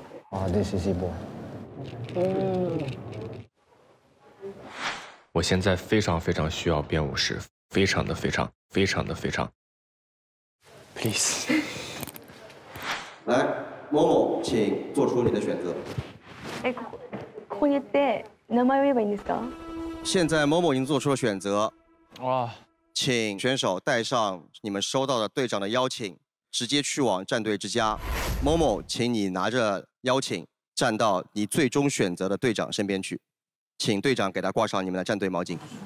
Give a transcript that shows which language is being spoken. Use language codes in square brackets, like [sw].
[en] 啊 ，This is Ibo. [zh] 我现在非常非常需要编舞师，非常的非常非常的非常。 [en] Please， [zh] 来，某某，请做出你的选择。 [ja] 哎，ここに行って名前を言えばいいんですか？ [zh] 现在某某已经做出了选择。哇！请选手带上你们收到的队长的邀请，直接去往战队之家。某某，请你拿着邀请，站到你最终选择的队长身边去。请队长给他挂上你们的战队毛巾。